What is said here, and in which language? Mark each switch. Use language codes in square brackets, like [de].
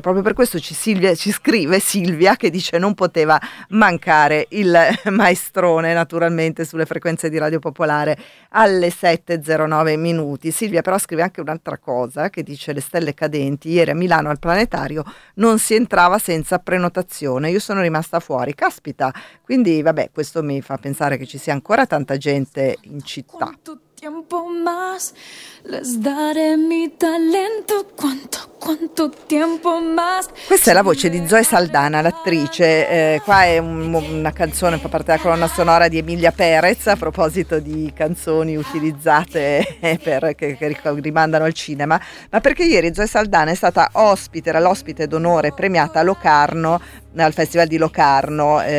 [it] Proprio per questo ci scrive Silvia che dice: non poteva mancare il maestrone naturalmente sulle frequenze di Radio Popolare alle 7:09 minuti. Silvia però scrive anche un'altra cosa, che dice: le stelle cadenti, ieri a Milano al Planetario non si entrava senza prenotazione, io sono rimasta fuori, caspita. Quindi vabbè, questo mi fa pensare che ci sia ancora tanta gente in città. [es] Tiempo más les daré mi talento, cuanto tiempo más. [it] Questa è la voce di Zoe Saldana, l'attrice. Qua è una canzone, fa parte della colonna sonora di Emilia Perez, a proposito di canzoni utilizzate che rimandano al cinema. Ma perché ieri Zoe Saldana è stata ospite, era l'ospite d'onore premiata a Locarno, al Festival di Locarno.